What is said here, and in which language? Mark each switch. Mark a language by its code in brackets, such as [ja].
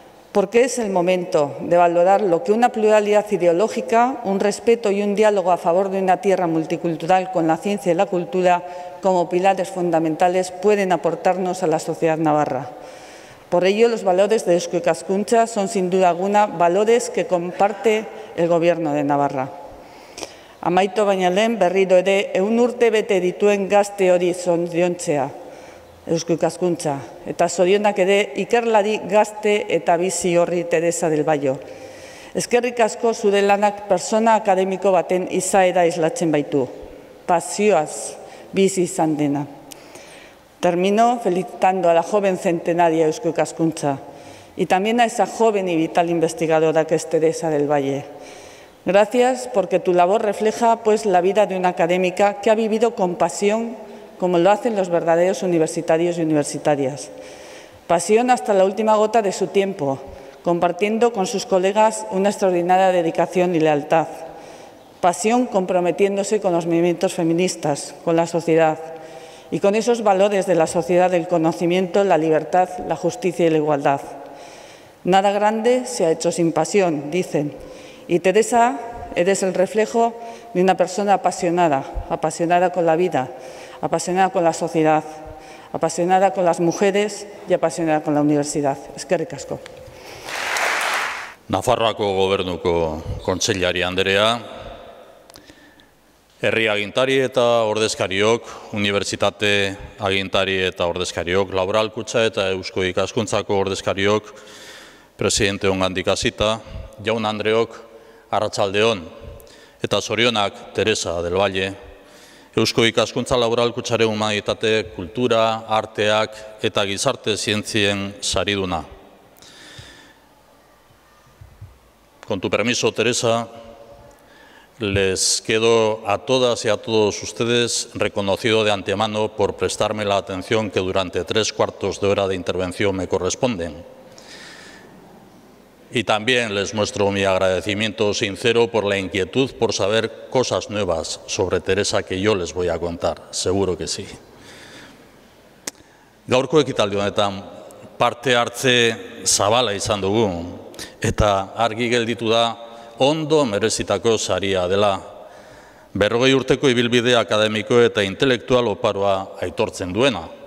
[es] Porque es el momento de valorar lo que una pluralidad ideológica, un respeto y un diálogo a favor de una tierra multicultural con la ciencia y la cultura como pilares fundamentales pueden aportarnos a la sociedad navarra. Por ello, los valores de Eusko Ikaskuntza son sin duda alguna valores que comparte el Gobierno de Navarra. [eu] Amaitu baino lehen berriro ere ehun urte bete dituen gazte hori zoriontzea. Eusko Ikaskuntza, eta zorionak ere ikerlari gazte eta bizi horri Teresa del Baio. Eskerrik asko zure lanak persona akademiko baten izaera islatzen baitu, pasioaz bizi izan dena. [es] Termino felicitando a la joven centenaria Eusko Ikaskuntza y también a esa joven y vital investigadora que es Teresa del Valle. Gracias porque tu labor refleja pues la vida de una académica que ha vivido con pasión como lo hacen los verdaderos universitarios y universitarias. Pasión hasta la última gota de su tiempo, compartiendo con sus colegas una extraordinaria dedicación y lealtad. Pasión comprometiéndose con los movimientos feministas, con la sociedad y con esos valores de la sociedad del conocimiento, la libertad, la justicia y la igualdad. Nada grande se ha hecho sin pasión, dicen. Y Teresa, eres el reflejo de una persona apasionada, apasionada con la vida, apasionada con la sociedad, apasionada con las mujeres y apasionada con la universidad. [eu] Eskerrik asko. Nafarroako gobernuko kontseilari andrea, herri agintari eta ordezkariok, unibertsitate agintari eta ordezkariok, Laboral Kutxa eta Eusko Ikaskuntzako ordezkariok, presidente ongandik hasita, jaun andreok, arratsaldeon, eta zorionak Teresa del Valle, Eusko Ikaskuntza Laboral Kutxaren humanitate, kultura, arteak eta gizarte zientzien sariduna. [es] Con tu permiso, Teresa, les quedo a todas y a todos ustedes reconocido de antemano por prestarme la atención que durante 3/4 de hora de intervención me corresponden. Y también les muestro mi agradecimiento sincero por la inquietud por saber cosas nuevas sobre Teresa que yo les voy a contar, seguro que sí. [eu] Gaurko ekitaldi honetan parte hartze zabala izan dugu eta argi gelditu da ondo merezitako saria dela. 40 urteko ibilbide akademiko eta intelektual oparoa aitortzen duena.